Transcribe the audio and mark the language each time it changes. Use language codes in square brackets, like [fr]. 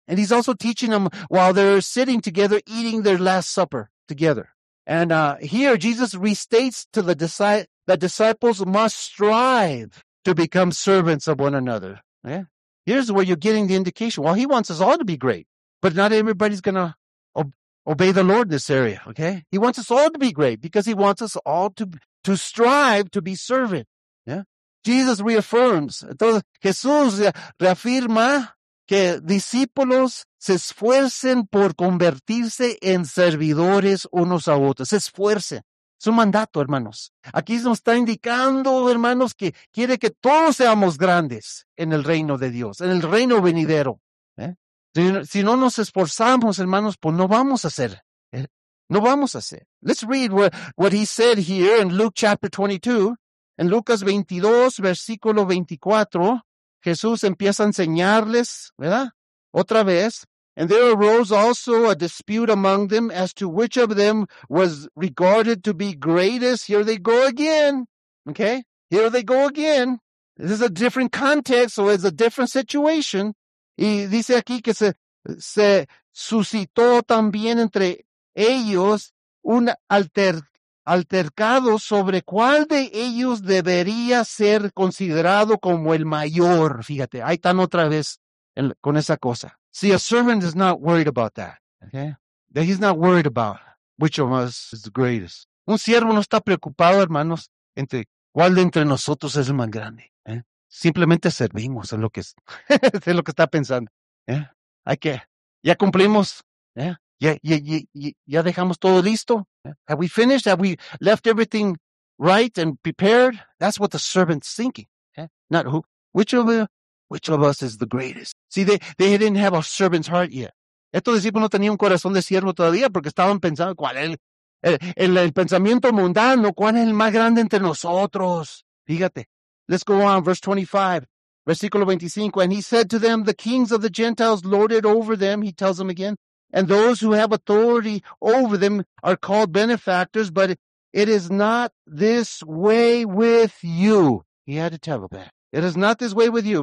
[en] And he's also teaching them while they're sitting together eating their last supper together. And here Jesus restates to the disciples that disciples must strive to become servants of one another. Yeah. Here's where you're getting the indication. Well, he wants us all to be great, but not everybody's going to obey the Lord in this area, okay? He wants us all to be great because he wants us all to strive to be servant. Yeah. Jesus reaffirms. [es] Entonces, Jesús reafirma que discípulos se esfuercen por convertirse en servidores unos a otros. Se esfuercen. Es un mandato, hermanos. Aquí nos está indicando, hermanos, que quiere que todos seamos grandes en el reino de Dios, en el reino venidero. ¿Eh? Si no nos esforzamos, hermanos, pues no vamos a ser. ¿Eh? No vamos a ser. [en] Let's read what he said here in Luke chapter 22. [es] En Lucas 22, versículo 24. Jesús empieza a enseñarles, ¿verdad? Otra vez. [en] And there arose also a dispute among them as to which of them was regarded to be greatest. Here they go again. Okay? Here they go again. This is a different context, so it's a different situation. [es] Y dice aquí que se suscitó también entre ellos un altercado sobre cuál de ellos debería ser considerado como el mayor. Fíjate, ahí están otra vez con esa cosa. [en] See, a servant is not worried about that. Okay? That he's not worried about which of us is the greatest. [es] Un siervo no está preocupado, hermanos, entre cuál de entre nosotros es el más grande. ¿Eh? Simplemente servimos, es lo que es, es lo que está pensando. ¿Eh? Hay que, ya cumplimos. ¿Eh? Ya dejamos todo listo. [en] Have we finished? Have we left everything right and prepared? That's what the servant's thinking. Yeah. Not who. Which of us is the greatest? See, they didn't have a servant's heart yet. [es] Estos discípulos no tenían un corazón de siervo todavía porque estaban pensando, ¿cuál es el pensamiento mundano? ¿Cuál es el más grande entre nosotros? Fíjate. [en] Let's go on, verse 25. [es] Versículo 25. [en] And he said to them, the kings of the Gentiles lorded over them. He tells them again. And those who have authority over them are called benefactors, but it is not this way with you. He had to tell them that. It is not this way with you.